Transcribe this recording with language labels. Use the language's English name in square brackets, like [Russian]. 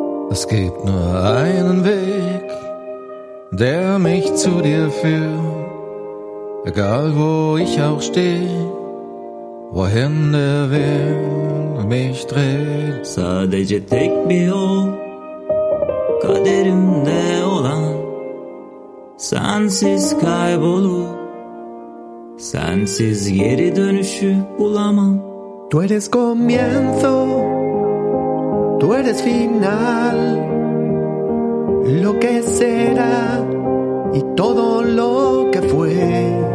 [German] Es gibt nur einen Weg, der mich zu dir führt, egal wo ich auch stehe, wohin der Wind mich dreht. [Turkish] Sadece tek bir yol, kaderimde olan, sensiz kaybolup, sensiz geri dönüşü bulamam. [Spanish] Tú eres comienzo. Tú eres final, lo que será y todo lo que fue.